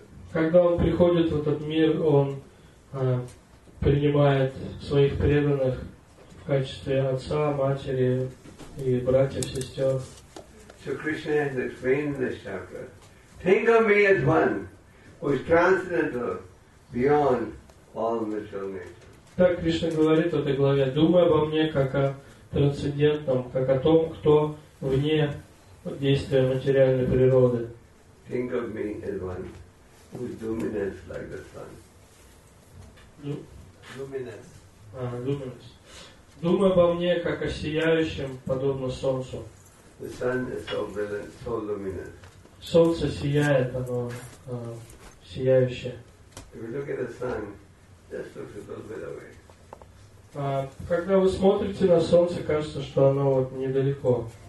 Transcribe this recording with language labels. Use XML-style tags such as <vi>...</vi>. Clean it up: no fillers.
<ru>Когда он приходит в этот мир, он принимает своих преданных в качестве отца, матери и братьев, сестер.</ru> <en>So Krishna has explained in this chapter. Think of me as one who is transcendental beyond all material nature.</en> <ru>Так Кришна говорит в этой главе. Думай обо мне как о трансцендентном, как о том, кто вне действия материальной природы.</ru> <en>Think of me as one whose luminance like the sun. Luminance.</en> <ru>Думай обо мне как о сияющем подобно солнцу.</ru> <en>The sun is so brilliant, so luminous.</en> <ru>Солнце сияет, оно сияющее.</ru> <en>If you look at the sun, just looks a little bit away.</en> <ru>Когда вы смотрите на солнце, кажется, что оно вот недалеко.</ru>